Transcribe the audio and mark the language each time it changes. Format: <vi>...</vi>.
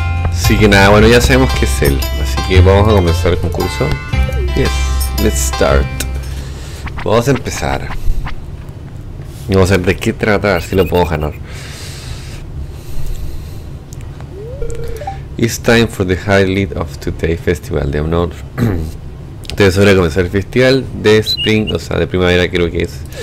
<es>Así que nada, bueno, ya sabemos que es él. Que vamos a comenzar el concurso.</es> <en>Yes, let's start.</en> <es>Vamos a empezar. Vamos a ver de qué trata, a ver si lo puedo ganar.</es> <en>It's time for the highlight of today's festival, the honor.</en> <es>Entonces ahora comenzar el festival de spring, o sea, de primavera, creo que es.</es>